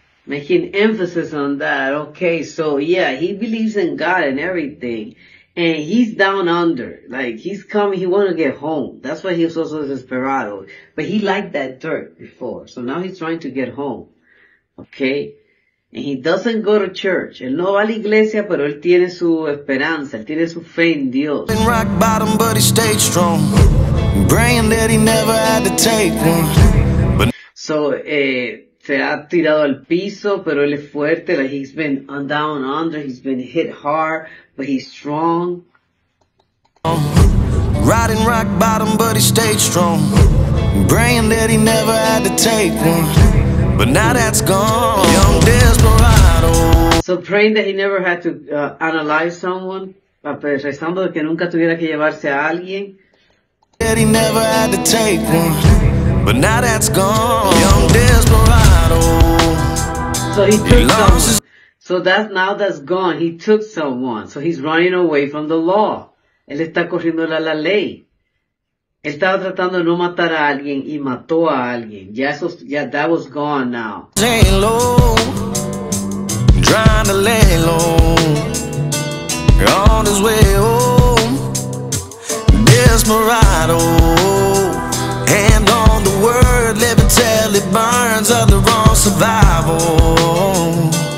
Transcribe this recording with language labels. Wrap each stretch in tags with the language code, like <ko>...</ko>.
<en>Making emphasis on that. Okay, so yeah, he believes in God and everything. And he's down under. Like, he's coming, he want to get home. That's why he's also desperado. But he liked that dirt before. So now he's trying to get home. Okay? And he doesn't go to church.</en> <es>Él no va a la iglesia, pero él tiene su esperanza. Él tiene su fe en Dios.</es> <en>In rock bottom, but he stayed strong. Praying that he never had to take one. But so,</en> <es>se ha tirado al piso, pero él es fuerte.</es> <en>Like, he's been down under, he's been hit hard, but he's strong. Riding rock bottom, but he stayed strong. Praying that he never had to take one, but now that's gone. Young desperado. So praying that he never had to analyze someone,</en> <es>rezando que nunca tuviera que llevarse a alguien.</es> <en>That he never had to take one, but now that's gone. Young desperado. So he took someone. So that's, now that's gone. He took someone. So he's running away from the law.</en> <es>Él está corriendo la ley. Él estaba tratando de no matar a alguien y mató a alguien. Ya eso, ya</es> <en>that was gone now. Lay low, trying to lay low, on his way home, desperado, hand on the word, living till it burns, under on survival.</en>